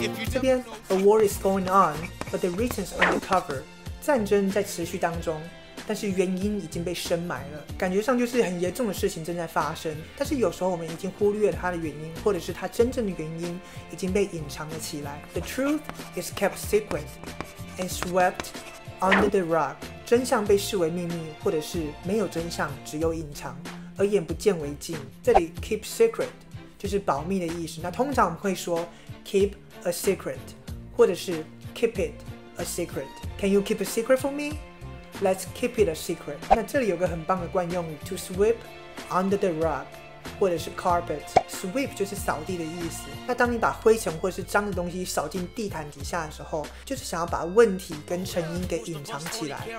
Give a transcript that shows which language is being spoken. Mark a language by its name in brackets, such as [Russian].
[Chinese] 这边 [English] a war is going on， but the reasons undercover， [Chinese] 战争在持续当中。但是原因已经被深埋了，感觉上就是很严重的事情正在发生，但是有时候我们已经忽略了它的原因，或者是它真正的原因已经被隐藏了起来。 [English] The truth is kept secret and swept under the rug， [Chinese] 真相被视为秘密，或者是没有真相只有隐藏，而眼不见为净。这里 keep secret 就是保密的意思，那通常我们会说 keep a secret 或者是 keep it a secret。 [English] Can you keep a secret for meLet's keep it a secret。 [Chinese] 那这里有个很棒的惯用语 To sweep under the rug 或者是 carpet。 Sweep 就是扫地的意思，那当你把灰尘或是脏的东西扫进地毯底下的时候，就是想要把问题跟成因给隐藏起来。